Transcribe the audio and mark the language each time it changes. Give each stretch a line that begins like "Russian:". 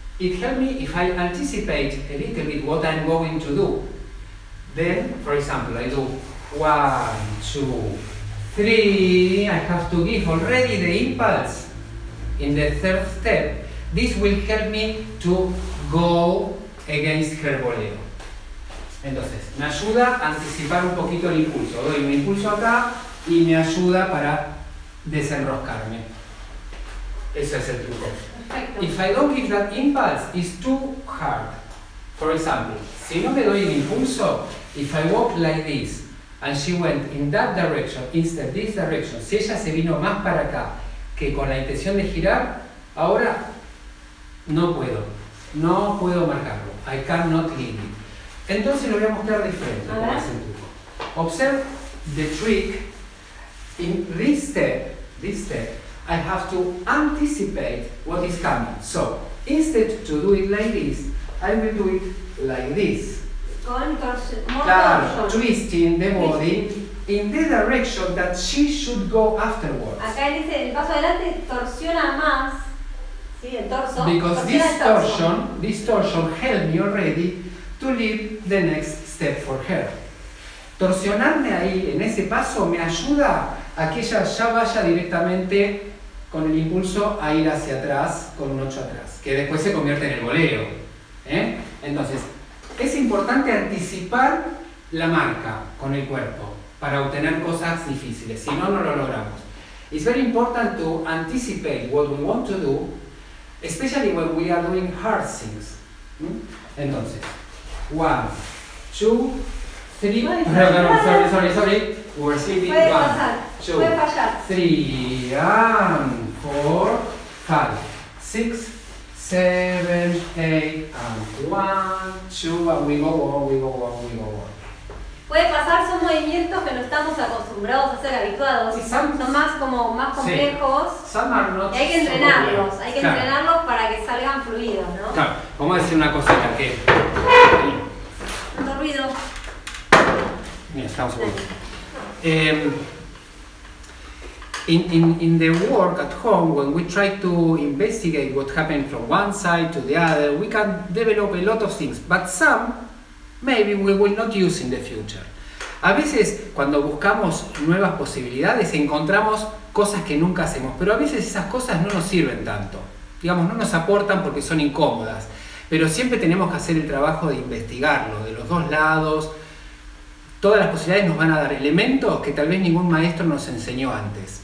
English: It helps me if I anticipate a little bit what I'm going to do. Then, for example, I do one, two, three. I have to give already the impulse in the third step. This will help me to go against her voleo.
Spanish: Entonces, me ayuda a anticipar un poquito el impulso. Doy un impulso acá y me ayuda para desenroscarme. Ese es el truco.
English: If I don't give that impulse, it's too hard. For example,
Spanish: si no me doy el impulso,
English: if I walk like this and she went in that direction instead of this direction,
Spanish: si ella se vino más para acá que con la intención de girar, ahora no puedo. No puedo marcarlo.
English: I cannot hit it.
Spanish: Entonces lo voy a mostrar diferente. A ver. El truco.
English: Observe the trick. In this step, I have to anticipate what is coming. So, instead to do it like this, I will do it like this. Contorsion. Twisting the body in the direction that she should go afterwards.
Spanish: Acá dice, el paso adelante torsiona más. Sí, el torso.
English: Because this torsion helped me already to leave the next step for her.
Spanish: Torsionarme ahí, en ese paso, me ayuda a que ella ya vaya directamente con el impulso a ir hacia atrás, con un 8 atrás, que después se convierte en el voleo. ¿Eh? Entonces, es importante anticipar la marca con el cuerpo para obtener cosas difíciles, si no, no lo logramos.
English: It's very important to anticipate what we want to do, especially when we are doing hard things. ¿Mm?
Spanish: Entonces,
English: 1, 2, 3, sorry. We're sitting. 1, 2, 3, and 4, 5, 6, 7, 8, and 1, 2, and we go on.
Spanish: Puede pasar, son movimientos que no estamos acostumbrados a hacer habituados. Son más como más complejos. Sí.
English: Some are not.
Spanish: Y hay que entrenarlos. Hay que entrenarlos para que salgan fluidos, ¿no? Claro, vamos a decir una cosita que. Tanto ruido. Mira, estamos seguros.
English: In the work at home, when we try to investigate what happened from one side to the other, we can develop a lot of things, but some maybe we will not use in the future.
Spanish: A veces cuando buscamos nuevas posibilidades encontramos cosas que nunca hacemos, pero a veces esas cosas no nos sirven tanto, digamos, no nos aportan porque son incómodas, pero siempre tenemos que hacer el trabajo de investigarlo de los dos lados. Todas las posibilidades nos van a dar elementos que tal vez ningún maestro nos enseñó antes.